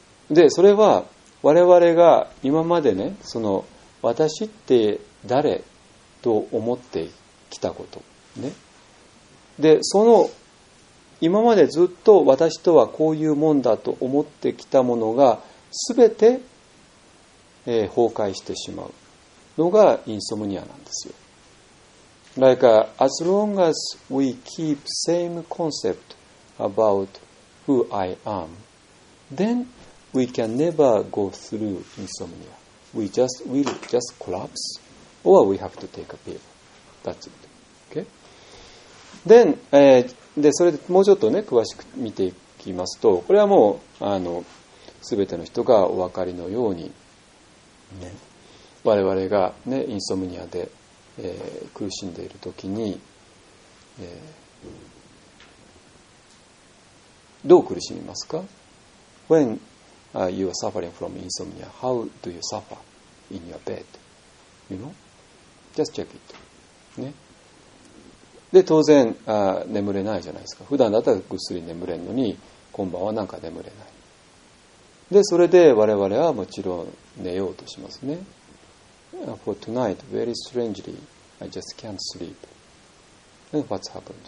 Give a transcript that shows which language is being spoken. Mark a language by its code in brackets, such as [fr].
[ja] で、それは我々が今までね、その私って誰と思ってきたことね、で、その今までずっと私とはこういうもんだと思ってきたものが全て、崩壊してしまうのがインソムニアなんですよ。 [en] Like, as long as we keep same concept about who I am, then we can never go through insomnia. We just will just collapse or we have to take a pill. That's it. Then, [ja] でそれでもうちょっとね詳しく見ていきますと、これはもう全ての人がお分かりのように、ね、我々が、ね、インソムニアで、苦しんでいる時に、どう苦しみますか？ [en] When you are suffering from insomnia, how do you suffer in your bed? You know? Just check it. [ja] ね、で当然眠れないじゃないですか。普段だったらぐっすり眠れんのに、今晩はなんか眠れない。でそれで我々はもちろん寝ようとしますね。 [en] For tonight, very strangely, I just can't sleep. And what's happened?